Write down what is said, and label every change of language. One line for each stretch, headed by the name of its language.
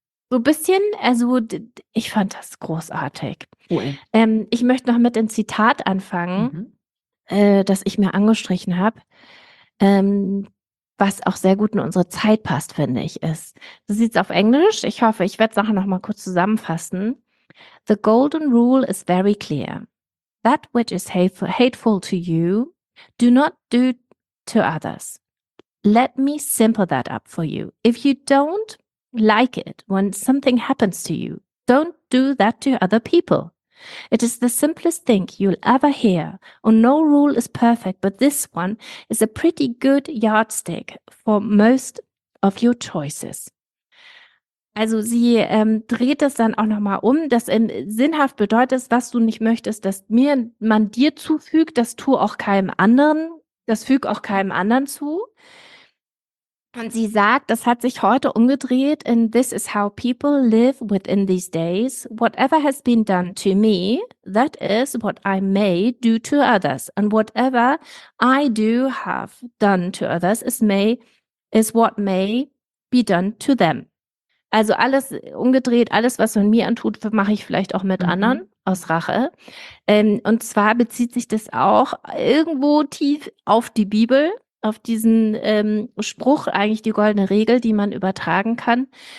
German: So ein bisschen, also ich fand das großartig. Cool. Ich möchte noch mit einem Zitat anfangen, das ich mir angestrichen habe, was auch sehr gut in unsere Zeit passt, finde ich, ist. Das sieht's auf Englisch. Ich hoffe, ich werde es nachher nochmal kurz zusammenfassen.
English: The golden rule is very clear. That which is hateful to you, do not do to others. Let me simple that up for you. If you don't like it when something happens to you, don't do that to other people. It is the simplest thing you'll ever hear, and no rule is perfect, but this one is a pretty good yardstick for most of your choices.
German: Also sie dreht es dann auch nochmal um, dass sinnhaft bedeutet, was du nicht möchtest, dass mir man dir zufügt, das tue auch keinem anderen, das füge auch keinem anderen zu. Und sie sagt, das hat sich heute umgedreht in
English: This is how people live within these days. Whatever has been done to me, that is what I may do to others. And whatever I do have done to others is what may be done to them.
German: Also alles umgedreht, alles, was man mir antut, mache ich vielleicht auch mit anderen aus Rache. Und zwar bezieht sich das auch irgendwo tief auf die Bibel. Auf diesen Spruch, eigentlich die goldene Regel, die man übertragen kann.